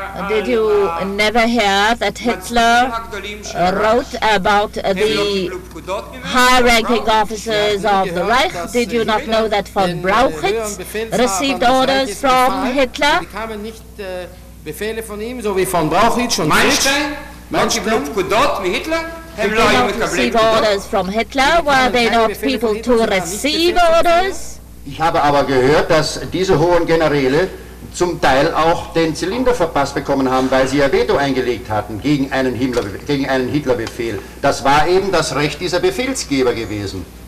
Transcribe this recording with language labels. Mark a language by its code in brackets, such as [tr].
[en] Did you never hear that Hitler wrote about the high-ranking officers of the Reich? Did you not know that von Brauchitz received orders from Hitler? [de] Befehle von ihm, so wie von Brauchitsch und [en] Meinstein, Did they not receive orders from Hitler? Were they not people to receive orders? [de] Ich habe aber gehört, dass diese hohen Generäle zum Teil auch den Zylinder verpasst bekommen haben, weil sie ihr Veto eingelegt hatten gegen einen Hitlerbefehl. Das war eben das Recht dieser Befehlsgeber gewesen.